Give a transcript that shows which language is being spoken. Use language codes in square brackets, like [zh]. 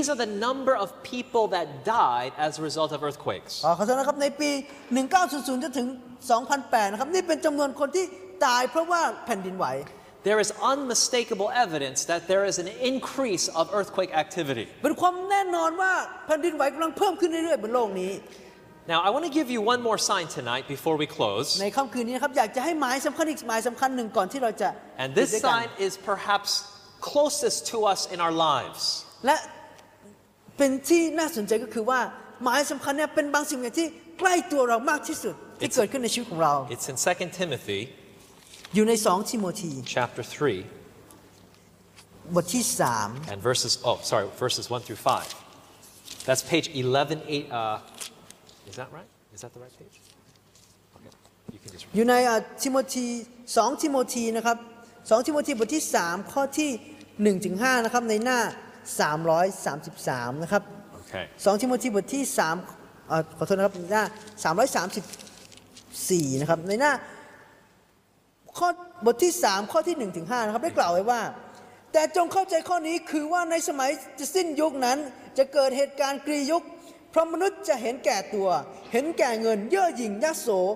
[en] These are the number of people that died as a result of earthquakes [th] อ๋อขอโทษนะครับในปี1900จนถึง2008นะครับนี่เป็นจํานวนคนที่ตายเพราะว่าแผ่นดินไหว [en] There is unmistakable evidence that there is an increase of earthquake activity. [th] เป็นความแน่นอนว่าแผ่นดินไหวกำลังเพิ่มขึ้นเรื่อยๆบนโลกนี้ [en] Now I want to give you one more sign tonight before we close. [th] ในค่ำคืนนี้นะครับอยากจะให้หมายสำคัญอีกหมายสำคัญหนึ่งก่อนที่เราจะ [en] And this sign is perhaps closest to us in our lives. [th] และเป็นที่น่าสนใจก็คือว่าหมายสำคัญเนี่ยเป็นบางสิ่งที่ใกล้ตัวเรามากที่สุดที่เกิดขึ้นในชีวิตของเรา [en] It's in 2 Timothy. [th] อยู่ใน2ทิโมธี [en] chapter 3 [th] บทที่3 [en] and verses oh sorry verses 1 through 5 that's page 118 is that right is that the right page okay you can just [th] อยู่ในทิโมธี2ทิโมธีนะครับ2ทิโมธีบทที่3ข้อที่1ถึง5นะครับในหน้า333นะครับ [en] okay [th] 2ทิโมธีบทที่3ขอโทษนะครับหน้า334นะครับในหน้าข้อบทที่3ข้อที่1ถึง5นะครับได้กล่าวไว้ว่าแต่จงเข้าใจข้อนี้คือว่าในสมัยจะสิ้นยุคนั้นจะเกิดเหตุการณ์กรียุคเพราะมนุษย์จะเห็นแก่ตัวเห็นแก่เงินเย่อหยิ่งยโส